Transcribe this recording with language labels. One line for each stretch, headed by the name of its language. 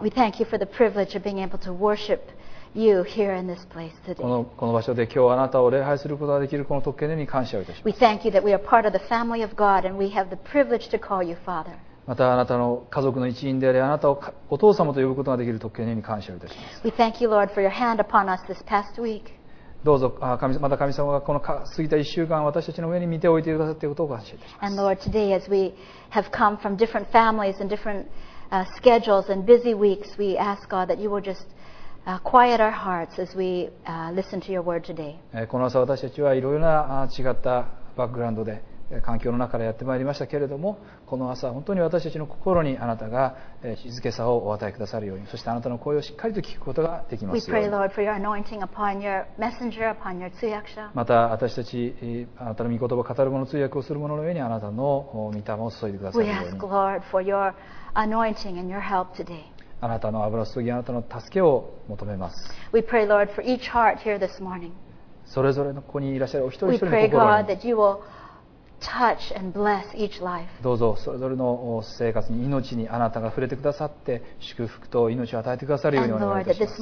English: We thank you for the privilege of being able to worship you here in this place today.
Japanese: この場所で今日あなたを礼拝することができるこの特権に感謝をいたします。
English: We thank you that we are part of the family of God and we have the privilege to call you Father.
Japanese: またあなたの家族の一員でありあなたをお父様と呼ぶことができる特権に感謝をいたします。
English: We thank you, Lord, for your hand upon us this past week.
Japanese: どうぞまた神様がこの過ぎた一週間私たちの上に見ておいてくださっていることを感謝いたします。
English: And Lord, today as we have come from different families and different schedules and busy weeks, we ask God that you will just quiet our hearts as we listen to your word today.
Japanese: この朝私たちはいろいろな違ったバックグラウンドで環境の中からやってまいりましたけれどもこの朝本当に私たちの心にあなたが静けさをお与えくださるようにそしてあなたの声をしっかりと聞くことができますように
English: We pray, Lord, for your anointing upon your messenger, upon your 通訳者
Japanese: また私たちあなたの御言葉を語る者通訳をする者の上にあなたの御霊を注いでくださるように
English: We ask, Lord, for your anointing and your help today
Japanese: あなたの油注ぎあなたの助けを求めます
English: We pray, Lord, for each heart here this morning
Japanese: それぞれのここにいらっしゃるお一人一人の心に
English: We pray, God, that you willTouch and bless each life.
Japanese: どうぞそれぞれの生活に命にあなたが触れてくださって祝福と命を与えてくださるようにお願いいたします。